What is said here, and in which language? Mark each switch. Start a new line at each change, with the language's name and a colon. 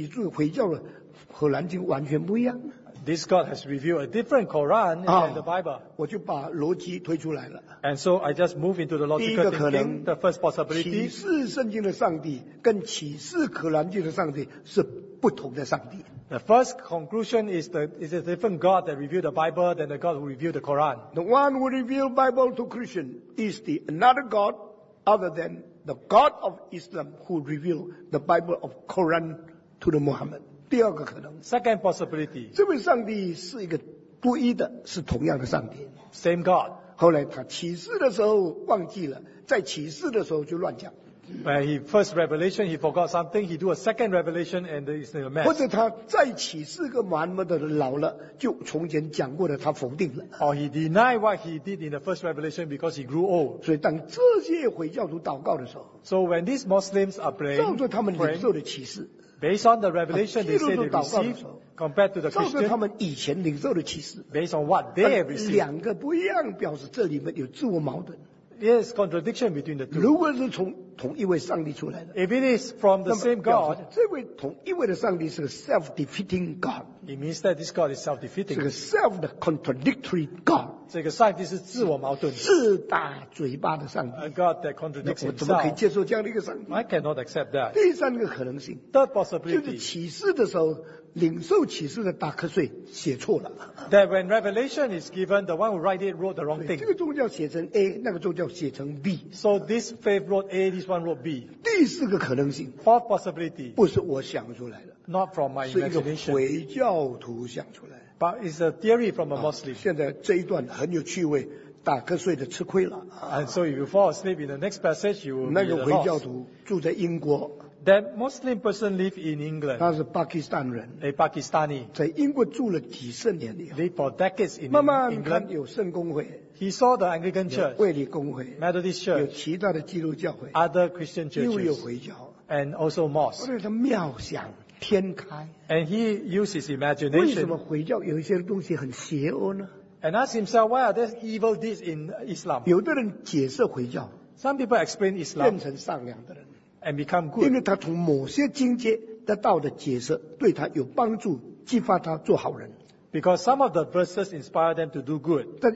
Chinese: 这位上帝启示个基督教的圣经跟启示回教的《可兰经》完全不一样。
English: This God has revealed a different Quran and the Bible.
Chinese: 我就把逻辑推出来了。
English: And so I just move into the logical thinking, the first possibility.
Chinese: 启示圣经的上帝跟启示《可兰经》的上帝是不同的上帝。
English: The first conclusion is that it's a different God that revealed the Bible than the God who revealed the Quran. The one who revealed Bible to Christian is the another God other than the God of Islam who revealed the Bible of Quran to the Muhammad.
Chinese: 第二个可能,
English: second possibility.
Chinese: 这位上帝是一个不一的,是同样的上帝。
English: Same God.
Chinese: 后来他启示的时候忘记了, 在启示的时候就乱讲。
English: When he first revelation, he forgot something. He do a second revelation, and it's a mess.
Chinese: 或者他再起誓个完了的老了，就从前讲过的，他否定了。
English: Or he denied what he did in the first revelation because he grew old.
Chinese: 所以当这些回教徒祷告的时候
English: ，So when these Muslims are praying，
Chinese: 照着他们领受的启示
English: ，Based on the revelation they say they receive， compared to the Christian，
Chinese: 照着他们以前领受的启示
English: ，Based on what they have received，
Chinese: 两个不一样，表示这里面有自我矛盾。
English: Yes, contradiction between the two.
Chinese: 如果是从同一位上帝出来的,
English: if it is from the same God,
Chinese: 这位同一位的上帝是个
English: self-defeating God. It means that this God is self-defeating.
Chinese: 是个
English: self-contradictory God.
Chinese: 这个上帝是自我矛盾的, 自大嘴巴的上帝,
English: a God that contradicts himself.
Chinese: 我怎么可以接受这样的一个上帝?
English: I cannot accept that.
Chinese: 第三个可能性,
English: third possibility,
Chinese: 就是启示的时候, 领受启示的打瞌睡，写错了。
English: That when revelation is given, the one who write it wrote the wrong thing.
Chinese: 这个宗教写成 A， 那个宗教写成 B。
English: So this faith wrote A, this one wrote B.
Chinese: 第四个可能性
English: ，Fourth possibility，
Chinese: 不是我想出来的
English: ，Not from my imagination，
Chinese: 是一个回教徒想出来的
English: ，But it's a theory from a Muslim。
Chinese: 现在这一段很有趣味。打瞌睡的吃亏了,
English: and so if you fall asleep in the next passage, you will be lost.
Chinese: 那个回教徒住在英国,
English: that Muslim person live in England.
Chinese: 他是巴基斯坦人,
English: a Pakistani.
Chinese: 在英国住了几十年以后,
English: live for decades in England.
Chinese: 慢慢看有圣公会,
English: he saw the Anglican Church,
Chinese: 有卫理公会,
English: Methodist Church,
Chinese: 有其他的基督教会,
English: other Christian churches,
Chinese: 又有回教,
English: and also mosques.
Chinese: 而且他妙想, 天开,
English: and he used his imagination.
Chinese: 为什么回教有一些东西很邪恶呢?
English: And ask himself, why are there evil deeds in Islam?
Chinese: 有的人解释回教,
English: some people explain Islam,
Chinese: 变成善良的人,
English: and become good.
Chinese: 因为他从某些经节得到的解释对他有帮助, 激发他做好人,
English: because some of the verses inspire them to do good.